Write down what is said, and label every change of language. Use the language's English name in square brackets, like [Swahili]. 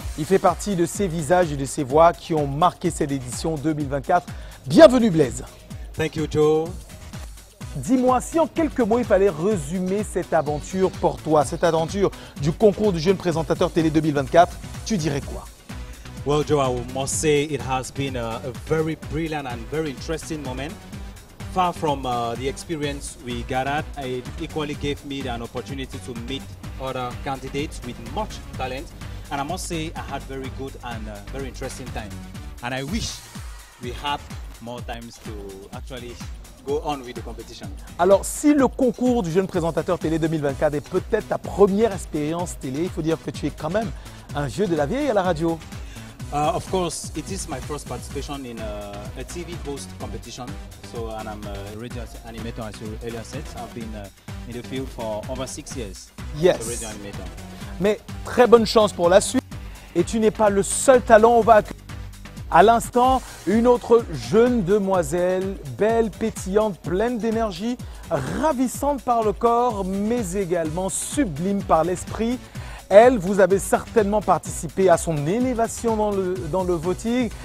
[French] Il fait partie de ces visages et de ces voix qui ont marqué cette édition 2024. Bienvenue Blaise. [English] Thank you Joe. [French] Dis-moi, si en quelques mots il fallait résumer cette aventure pour toi, cette aventure du concours du jeune présentateur télé 2024, tu dirais quoi? [English] Well, Joe, I must say it has been a very brilliant and very interesting moment. Far from the experience we gathered, it equally gave me an opportunity to meet other candidates with much talent. And I must say I had very good and very interesting time. And I wish we had more times to actually go on with the competition. [French] Alors, si le concours du jeune présentateur télé 2024 est peut-être ta première expérience télé, il faut dire que tu es quand même un vieux de la vieille à la radio. [English] Of course, it is my first participation in a TV host competition. So, and I'm a radio animator, as you earlier said. I've been in the field for over 6 years. Yes. As a radio animator. [French] Mais très bonne chance pour la suite. Et tu n'es pas le seul talent au VAC. À l'instant, une autre jeune demoiselle, belle, pétillante, pleine d'énergie, ravissante par le corps, mais également sublime par l'esprit. Elle, vous avez certainement participé à son élévation dans le voting.